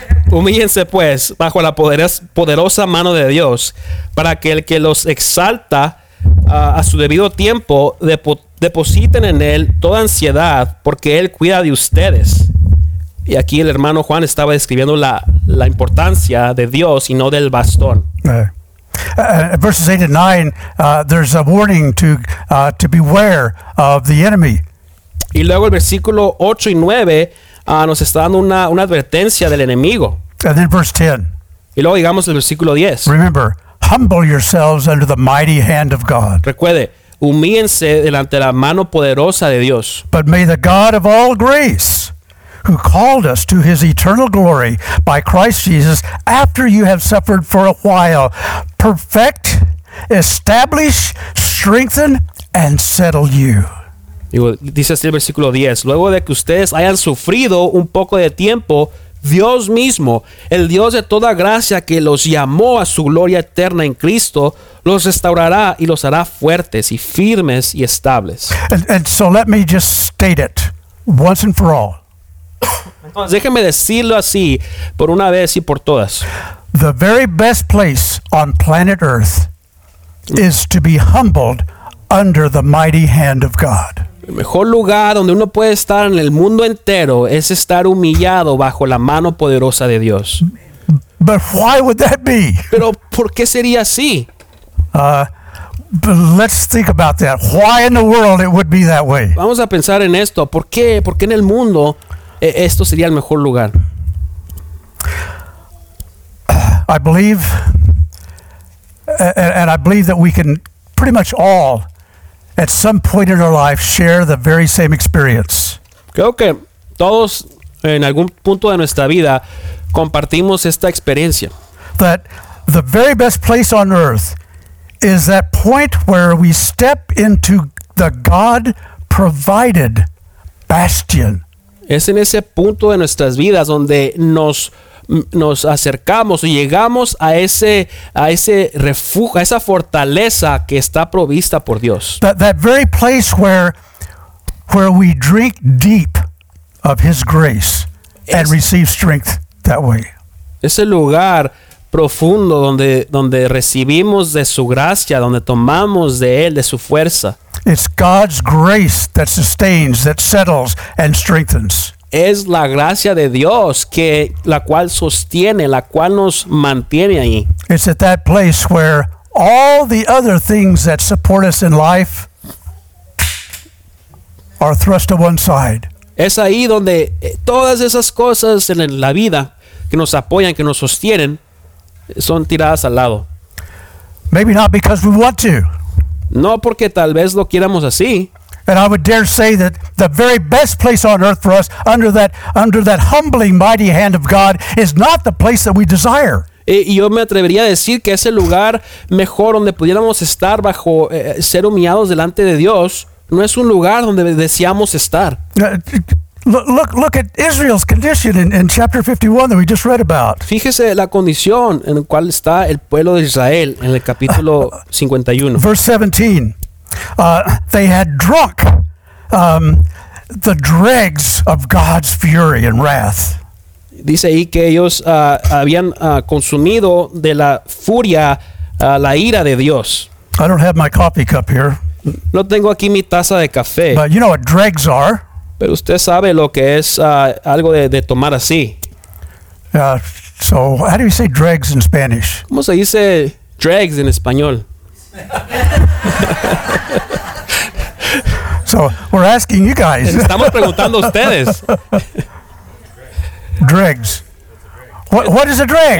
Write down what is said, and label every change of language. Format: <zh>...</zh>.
<es>Humíllense pues bajo la poderosa mano de Dios para que el que los exalta a su debido tiempo depositen en él toda ansiedad porque él cuida de ustedes. Y aquí el hermano Juan estaba describiendo la importancia de Dios y no del bastón.</es> <en>Verses 8 and 9, there's a warning to beware of the enemy.</en> <es>Y luego el versículo 8 y 9 nos está dando una advertencia del enemigo.</es> <en>And then verse 10.</en> <es>Y luego digamos el versículo 10.</es> <en>Remember, humble yourselves under the mighty hand of God.</en> <es>Recuerde, humíllense delante de la mano poderosa de Dios.</es> <en>But may the God of all grace, who called us to his eternal glory by Christ Jesus, after you have suffered for a while, perfect, establish, strengthen, and settle you.</en> <es>Dice así el versículo 10, luego de que ustedes hayan sufrido un poco de tiempo, Dios mismo, el Dios de toda gracia que los llamó a su gloria eterna en Cristo, los restaurará y los hará fuertes y firmes y estables.</es> <en>And so let me just state it once and for all.</en> <es>Entonces, déjeme decirlo así por una vez y por todas.</es> <en>The very best place on planet Earth is to be humbled under the mighty hand of God.</en> <es>El mejor lugar donde uno puede estar en el mundo entero es estar humillado bajo la mano poderosa de Dios.</es> <en>But why would that be?</en> <es>Pero ¿por qué sería así?</es> <en>Let's think about that. Why in the world it would be that way?</en> <es>Vamos a pensar en esto. ¿Por qué? ¿Por qué en el mundo esto sería el mejor lugar?</es> <en>I believe And I believe that we can pretty much all, at some point in our life, share the very same experience.</en> <es>Creo que todos en algún punto de nuestra vida compartimos esta experiencia.</es> <en>That the very best place on earth is that point where we step into the God-provided bastion.</en> <es>Es en ese punto de nuestras vidas donde nos acercamos y llegamos a ese refugio, a esa fortaleza que está provista por Dios.</es> <en>That very place where we drink deep of His grace and receive strength that way.</en> <es>Ese lugar profundo donde recibimos de su gracia, donde tomamos de él, de su fuerza.</es> <en>It's God's grace that sustains, that settles and strengthens.</en> <es>Es la gracia de Dios que la cual sostiene, la cual nos mantiene ahí.</es> <en>It's at that place where all the other things that support us in life are thrust to one side.</en> <es>Es ahí donde todas esas cosas en la vida que nos apoyan, que nos sostienen, son tiradas al lado.</es> <en>Maybe not because we want to.</en> <es>No porque tal vez lo quieramos así.</es> <en>And I would dare say that the very best place on earth for us under that humbling mighty hand of God is not the place that we desire.</en> <es>Y yo me atrevería a decir que ese lugar mejor donde pudiéramos estar bajo ser humillados delante de Dios no es un lugar donde deseamos estar.</es> <en>Look at Israel's condition in chapter 51 that we just read about.</en> <es>Fíjese la condición en la cual está el pueblo de Israel en el capítulo 51.</es> <en>Verse 17. They had drunk the dregs of God's fury and wrath.</en> <es>Dice ahí que ellos habían consumido de la furia la ira de Dios.</es> <en>I don't have my coffee cup here.</en> <es>No tengo aquí mi taza de café.</es> <en>But you know what dregs are.</en> <es>Pero usted sabe lo que es algo de tomar así.</es> <en>So how do you say dregs in Spanish?</en> <es>¿Cómo se dice dregs en español?</es> <en>So we're asking you guys.</en> <es>Estamos preguntando a ustedes.</es> <en>Dregs. What is a dreg?</en>